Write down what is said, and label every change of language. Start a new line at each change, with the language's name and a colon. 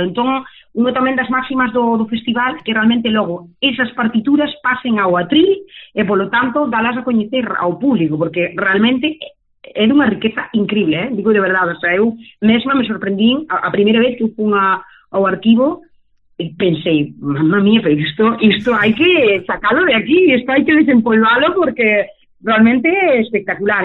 Galician: Entón, unha tamén das máximas do festival, que realmente logo esas partituras pasen ao atril e, polo tanto, dalas a coñecer ao público, porque realmente é dunha riqueza increíble, ¿eh? Digo de verdade, o sea, eu mesma me sorprendín a primeira vez que fun ao arquivo, pensei,
Spanish: mamma mia, pero esto hay que sacarlo de aquí, esto hay que desempolvarlo porque realmente es espectacular.